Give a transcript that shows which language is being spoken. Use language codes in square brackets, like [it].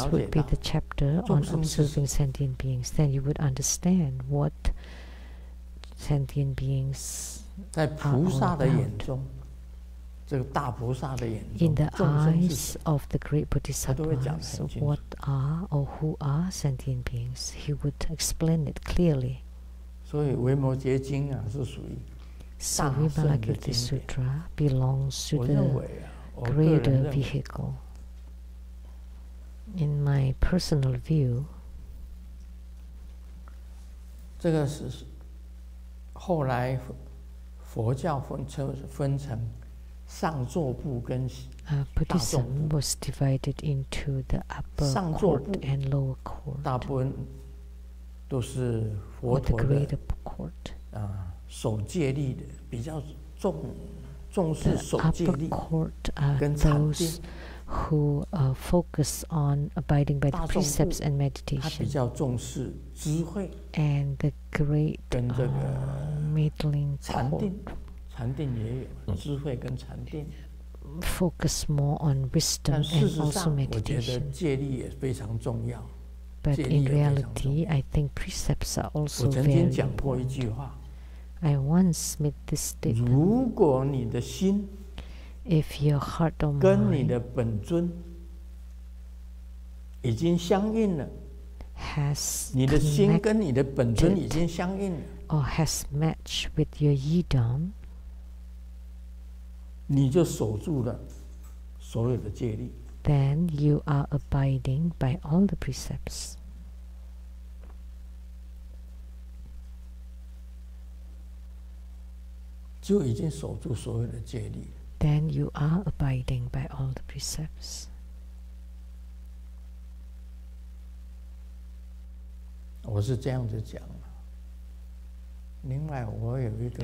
[en] Next would be the chapter on observing sentient beings Then you would understand what sentient beings [zh] 在菩萨的眼中这个大菩萨的眼中 [en] In the eyes of the great Bodhisattvas What are or who are sentient beings He would explain it clearly [zh] 所以维摩诘经啊是属于大圣的经典 [en] Vimalakirti Sutra belongs to the greater vehicle In my personal view [zh] 这个是后来佛教分成上座部跟大众部 [en] Buddhism was divided into the upper court and lower court [zh] 大部分都是佛陀的 [en] the greater court [zh] 守戒律的比较重视守戒律 [en] the upper court are [zh] 跟禅定 [en] those who focus on abiding by the precepts and meditation [zh] 他比较重视智慧 [en] and the great [zh] 跟这个 [en] middling court [zh] 禅定禅定也有智慧跟禅定 [en] focus more on wisdom and also meditation [zh] 但事实上我觉得戒律也非常重要 [en] but in reality I think precepts are also very important [zh] 我曾经讲过一句话 [en] I once made this statement [zh] 如果你的心 [en] if your heart or mind [zh] 跟你的本尊已经相应了 [en] has [zh] 你的心跟你的本尊已经相应了 [en] or has matched with your yidam [zh] 你就守住了所有的戒律 [en] Then you are abiding by all the precepts [zh] 就已经守住所有的戒律 [en] Then you are abiding by all the precepts [zh] 我是这样子讲另外我有一个